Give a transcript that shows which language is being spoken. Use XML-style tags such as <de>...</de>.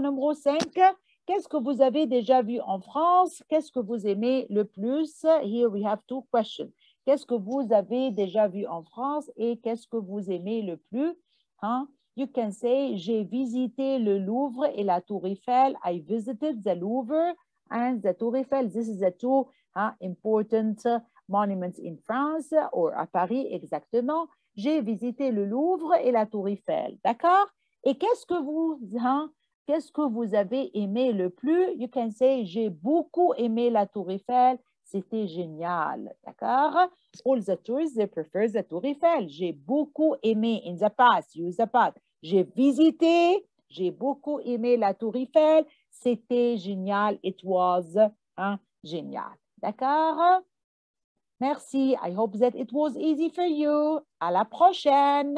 <fr>Numéro 5, qu'est-ce que vous avez déjà vu en France? Qu'est-ce que vous aimez le plus?</fr> <en>Here we have two questions.</en> <fr>Qu'est-ce que vous avez déjà vu en France et qu'est-ce que vous aimez le plus?</fr> <en>You can say,</en> <fr>j'ai visité le Louvre et la Tour Eiffel.</fr> <en>I visited the Louvre and the Tour Eiffel. This is the two important monuments in France or</en> <fr>à Paris exactement. J'ai visité le Louvre et la Tour Eiffel. D'accord? Et qu'est-ce que vous avez aimé le plus?</fr> <en>You can say,</en> <fr>j'ai beaucoup aimé la Tour Eiffel. C'était génial.</fr> <en>D'accord? All the tourists, they prefer the Tour Eiffel.</en> <fr>J'ai beaucoup aimé</fr> <en>in the past. Use the past.</en> <fr>J'ai visité, j'ai beaucoup aimé la Tour Eiffel, c'était génial,</fr> <en>it was</en> <fr>génial. D'accord?</fr> <en>Merci, I hope that it was easy for you.</en> <fr>À la prochaine!</fr>